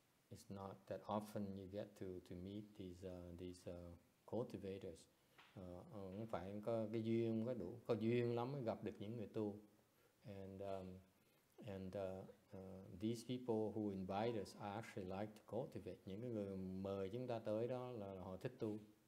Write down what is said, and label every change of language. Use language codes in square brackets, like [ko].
[en] it's not that often you get to meet these cultivators. [vi] Không phải có cái duyên có đủ có duyên lắm mới gặp được những người tu. [en] And these people who invite us are actually like to cultivate. [vi] Những cái người mời chúng ta tới đó là họ thích tu.